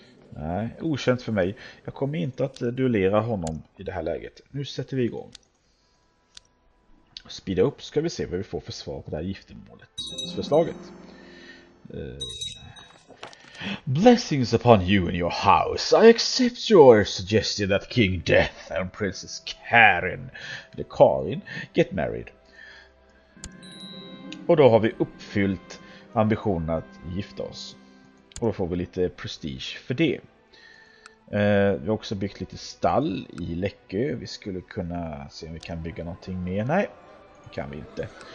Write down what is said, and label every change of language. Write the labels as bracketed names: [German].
[Swedish] Nej, okänt för mig. Jag kommer inte att duellera honom i det här läget. Nu sätter vi igång. Speeda upp ska vi se vad vi får för svar på det här giftermålet. Förslaget. [English] Blessings upon you and your house. I accept your suggestion that King Death and Princess Karin, the Karin, get married. [Swedish] Och då har vi uppfyllt ambitionen att gifta oss. Och då får vi lite prestige för det. Vi har också byggt lite stall i Läckö. Vi skulle kunna se om vi kan bygga någonting mer. Nej, det kan vi inte.